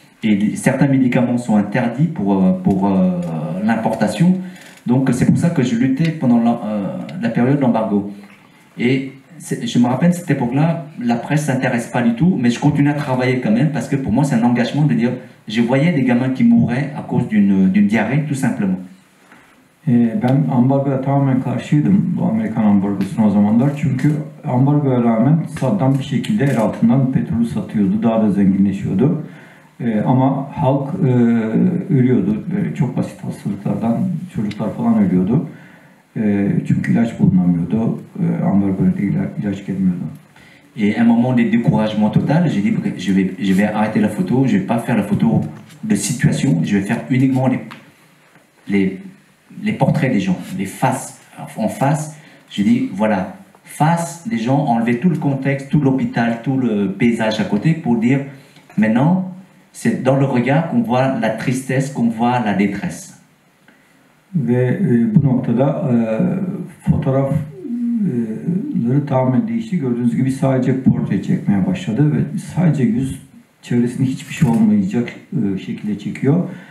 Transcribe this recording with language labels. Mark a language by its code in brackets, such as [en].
[fr] Et certains médicaments sont interdits pour l'importation. Donc c'est pour ça que je luttais pendant la période d'embargo. Et je me rappelle, cette époque-là, la presse ne s'intéresse pas du tout, mais je continue à travailler quand même, parce que pour moi, c'est un engagement de dire, je voyais des gamins qui mouraient à cause d'une diarrhée, tout simplement. [tr] Ben ambargoya tamamen karşıydım, bu Amerikan ambargosuna o zamanlar. Çünkü ambargoya rağmen Saddam bir şekilde el altından petrolü satıyordu, daha da zenginleşiyordu. Ama halk ölüyordu, böyle çok basit hastalıklardan, çocuklar falan ölüyordu. Çünkü ilaç bulunamıyordu, ambargoda ilaç gelmiyordu. [fr] Et un moment de découragement total, j'ai dit je vais arrêter la photo, je vais pas faire la photo de situation, je vais faire uniquement les portraits des gens, les faces, en face. J'ai dit voilà, face des gens, enlever tout le contexte, tout l'hôpital, tout le paysage à côté pour dire maintenant, c'est dans le regard qu'on voit la tristesse, qu'on voit la détresse. [tr] Ve bu noktada fotoğraf fotoğrafları tamamen değişti. Gördüğünüz gibi sadece portre çekmeye başladı ve sadece yüz çevresinde hiçbir şey olmayacak şekilde çekiyor.